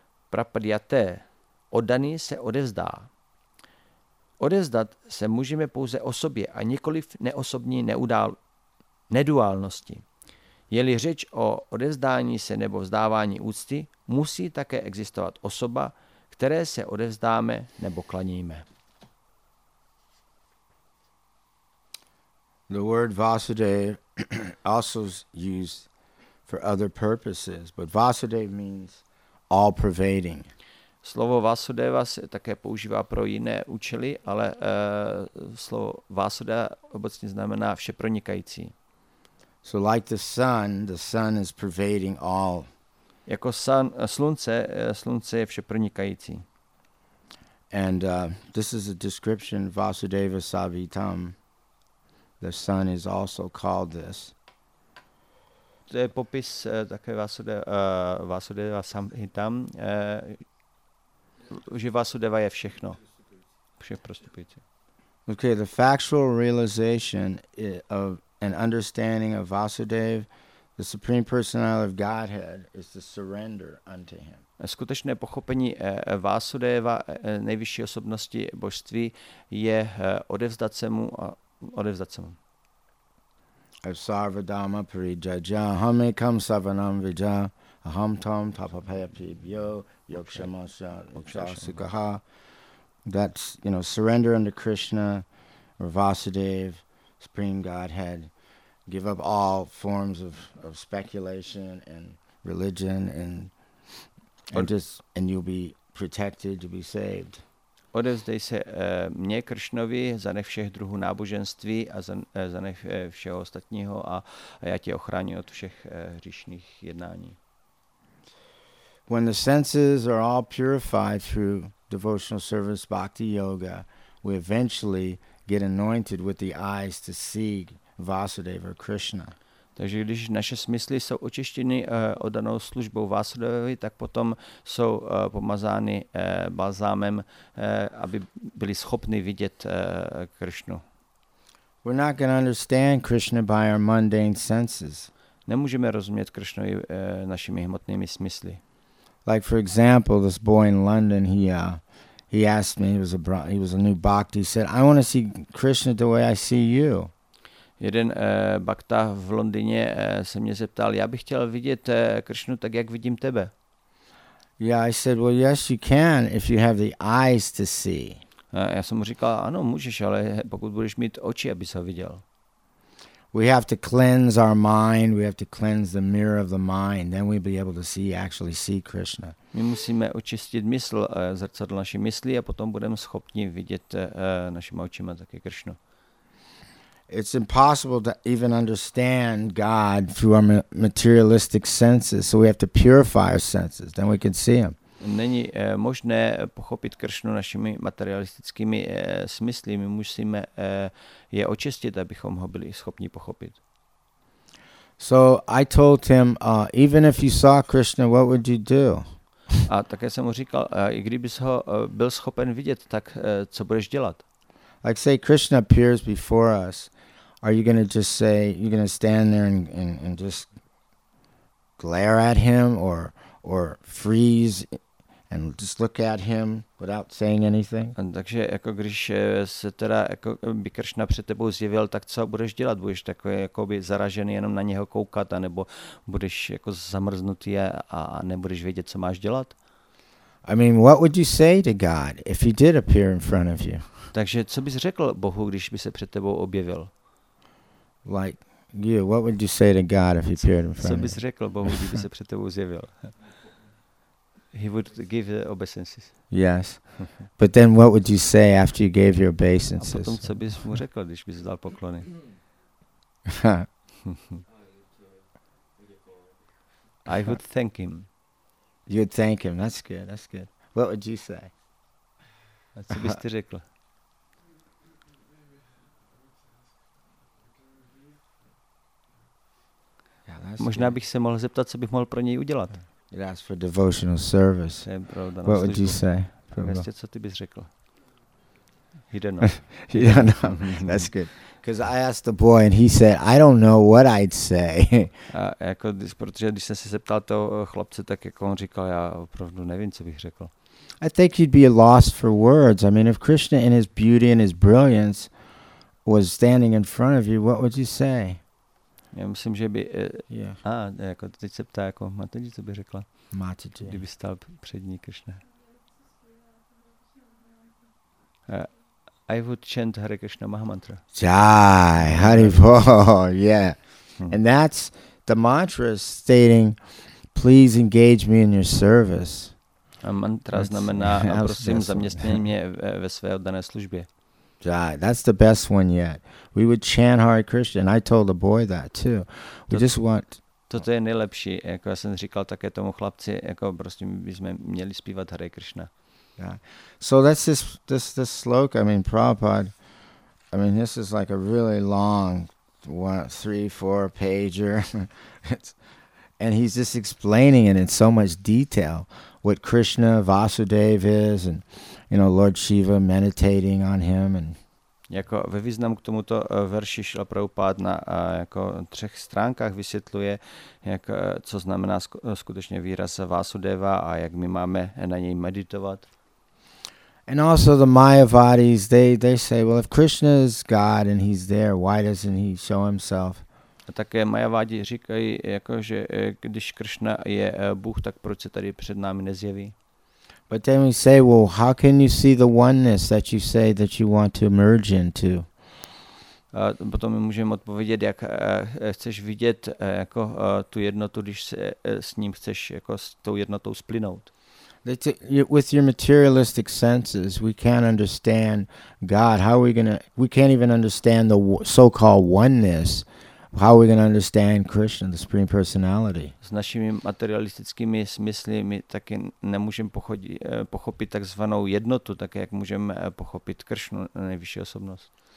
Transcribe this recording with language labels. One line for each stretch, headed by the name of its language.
Czech: prapadyate, oddaný se odevzdá. Odevzdat se můžeme pouze osobě a nikoliv neosobní neduálnosti. Je-li řeč o odevzdání se nebo vzdávání úcty, musí také existovat osoba, které se odevzdáme nebo klaníme.
English: The word Vasudeva also is used for other purposes, but Vasudeva means all pervading.
Czech: Slovo Vasudeva se také používá pro jiné účely, ale slovo Vasudeva obecně znamená všepronikající.
English: So like the sun is pervading all.
Czech: Jako slunce je všepronikající.
English: And this is a description Vasudeva Savitam. The sun is also called this.
Czech: To je popis také Vasudeva Samhitam, že Vasudeva je všechno, všech prostupující.
English: Okay, the factual realization of an understanding of Vasudeva, the Supreme Personality of Godhead, is the surrender unto him.
Czech: Skutečné pochopení Vasudeva, nejvyšší osobnosti božství, je odevzdat se mu a odevzdat se mu.
Sanskrit: Sarvadhamma parijaja aham ekam savanam vija aham tam tapapayapibyo yokshamasya yokshasukaha.
English: That's, you know, surrender unto Krishna or Vasudeva, Supreme Godhead. Give up all forms of speculation and religion and just, and you'll be protected, to be saved.
Czech: Odevzdej se mně, Kršnovi, zanech všech druhů náboženství a zanech všeho ostatního a já tě ochráním od všech hříšných jednání.
English: When the senses are all purified through devotional service bhakti yoga, we eventually get anointed with the eyes to see Vasudeva Krishna.
Czech: Takže když naše smysly jsou očištěny oddanou službou Vasudevovi, tak potom jsou pomazány balzámem, aby byli schopni vidět Krishnu.
English: We're not going to understand Krishna by our mundane senses.
Czech: Nemůžeme rozumět Krishnovi našimi hmotnými smysly.
English: Like for example, this boy in London, he asked me, he was a new bhakti, he said, I want to see Krishna the way I see you.
Czech: Jeden bakta v Londýně se mě zeptal, já bych chtěl vidět Kršnu tak, jak vidím tebe.
English: Yeah, I said, well, yes, you can, if you have the eyes to see.
Czech: Já jsem mu říkal, ano, můžeš, ale pokud budeš mít oči, abys ho viděl.
English: We have to cleanse our mind, we have to cleanse the mirror of the mind, then we'll be able to actually see Krishna.
Czech: My musíme očistit mysl, zrcadlo naší mysli a potom budeme schopni vidět našimi očima také Kršnu.
English: It's impossible to even understand God through our materialistic senses, so we have to purify our senses, then we can see him.
Czech: Není možné pochopit Kršnu našimi materialistickými smysly, my musíme je očistit, abychom ho byli schopni pochopit.
English: So I told him, even if you saw Krishna, what would you do?
Czech: A také jsem mu říkal, i kdybys ho byl schopen vidět, tak co budeš dělat?
English: Like say Krishna appears before us, are you going to just say, you're going to stand there and just glare at him or freeze and just look at him without saying anything?
Czech: Takže jako když se teda jako by Krishna před tebou zjevil, tak co budeš dělat? Budeš takový jako by zaražený jenom na něho koukat, anebo budeš jako zamrznutý a nebudeš vědět, co máš dělat?
English: I mean, what would you say to God if he did appear in front of you?
Czech: Takže co bys řekl Bohu, když by se před tebou objevil?
English: Like you, what would you say to God if he appeared in front of you?
Czech: Co bys řekl Bohu, když by se před tebou zjevil?
English: He would give the obeisances. Yes. But then what would you say after you gave your obeisances?
Czech: A potom co bys mu řekl, když bys dal poklony?
English: I would thank him. You would thank him. That's good. That's good. What would you say?
Czech: A co bys ty řekl? Možná bych se mohl zeptat, co bych mohl pro něj udělat.
English: You'd ask for devotional service. What would you say?
Czech: Co ty bys řekl?
English: He don't know. He don't know. That's good. Because I asked the boy and he said, I don't know what I'd say.
Czech: A jako, protože když jsem se zeptal toho chlapce, tak jako on říkal, já opravdu nevím, co bych řekl.
English: I think you'd be lost for words. I mean, if Krishna in his beauty and his brilliance was standing in front of you, what would you say?
Czech: Já myslím, že by... jako teď se ptá, jako Mataji, co by řekla? Mataji. Kdyby stál před ní Krishna.
English: I would chant Hare Krishna Mahamantra. Jai, Hare Bol, yeah. Hmm. And that's the mantra stating, please engage me in your service.
Czech: A
English: mantra that's,
Czech: znamená, a prosím, zaměstněj mě ve své oddané službě.
English: Jai, that's the best one yet. We would chant Hare Krishna, and I told the boy that too. We just want...
Czech: Toto je nejlepší, jako já jsem říkal také tomu chlapci, jako prostě bychom měli zpívat Hare Krishna.
English: So that's this sloka. I mean, Prabhupada, I mean, this is like a really long one, 3-4 pager. And he's just explaining it in so much detail what Krishna Vasudev is, and you know, Lord Shiva meditating on him. And
Czech: jako ve významu k tomuto verši Šila Prabhupada na jako třech stránkách vysvětluje, jak co znamená skutečně výraz Vasudeva a jak my máme na něj meditovat.
English: And also the Mayavadis, they say, well, if Krishna is God and he's there, why doesn't he show himself?
Czech: A také Mayavadi říkají, jako, že když Krishna je Bůh, tak proč se tady před námi nezjeví?
English: But then we say, well, how can you see the oneness that you say that you want to merge into?
Czech: A potom můžeme odpovědět, jak chceš vidět jako tu jednotu, když se s ním chceš jako s tou jednotou splynout.
English: With your materialistic senses, we can't understand God. How are we going to, we can't even understand the so-called oneness. How are we going to understand Krishna, the Supreme Personality?
Czech: S našimi materialistickými smysly my taky nemůžeme pochopit takzvanou jednotu, tak jak můžeme pochopit Kršnu, nejvyšší osobnost.